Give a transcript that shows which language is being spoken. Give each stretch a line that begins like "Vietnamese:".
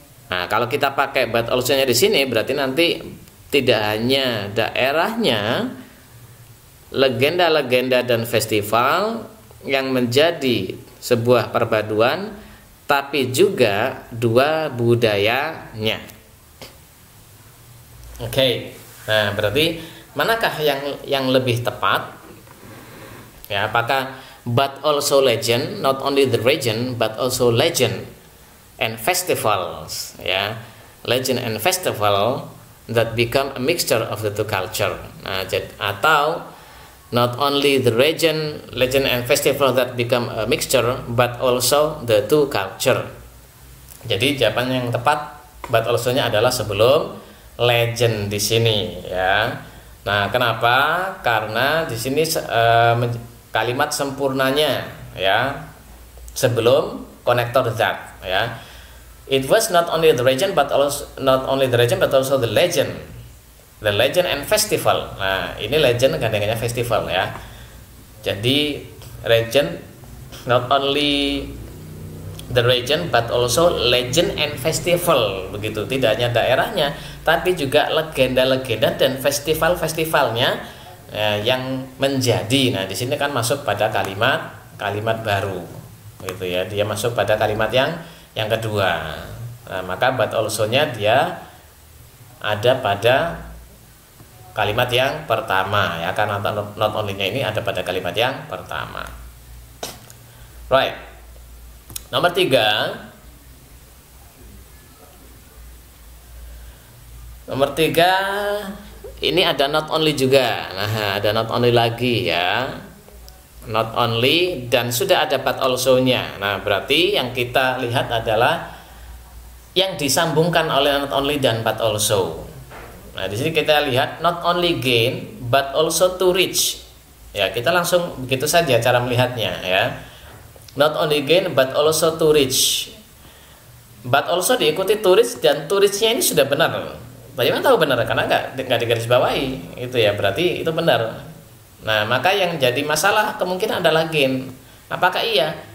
Indonesian: Nah, kalau kita pakai but also-nya di sini, berarti nanti tidak hanya daerahnya, legenda-legenda dan festival yang menjadi sebuah perpaduan, tapi juga dua budayanya. Oke, okay. Nah berarti manakah yang lebih tepat? Ya, apakah
English: but also legend, not only the region but also legend and festivals, ya, legend and festival that become a mixture of the two culture.
Indonesian: Nah, atau
English: not only the region, legend and festival that become a mixture, but also the two culture.
Indonesian: Jadi jawaban yang tepat but also-nya adalah sebelum legend di sini, ya. Nah, kenapa? Karena di sini kalimat sempurnanya, ya, sebelum connector that, ya.
English: It was not only the region, but also not only the region, but also the legend. The legend and festival.
Indonesian: Nah, ini legend gandengannya festival, ya. Jadi
English: region, not only the region, but also legend and festival, begitu.
Indonesian: Tidak hanya daerahnya, tapi juga legenda-legenda dan festival-festivalnya yang menjadi. Nah, di sini kan masuk pada kalimat baru, gitu ya. Dia masuk pada kalimat yang kedua. Nah, maka but also-nya dia ada pada kalimat yang pertama, ya, karena not only-nya ini ada pada kalimat yang pertama.
English: Right.
Indonesian: Nomor tiga. Nomor tiga, ini ada not only juga. Nah, ada not only lagi, ya. Not only, dan sudah ada but also-nya. Nah, berarti yang kita lihat adalah yang disambungkan oleh not only dan but also. Nah, di sini kita lihat
English: not only gain but also to reach.
Indonesian: Ya, kita langsung begitu saja cara melihatnya, ya.
English: Not only gain but also to reach. But also
Indonesian: diikuti
English: to reach, dan to reach-nya
Indonesian: ini sudah benar. Bagaimana tahu benar? Karena enggak digaris bawahi. Itu ya, berarti itu benar. Nah, maka yang jadi masalah kemungkinan adalah gain. Apakah iya?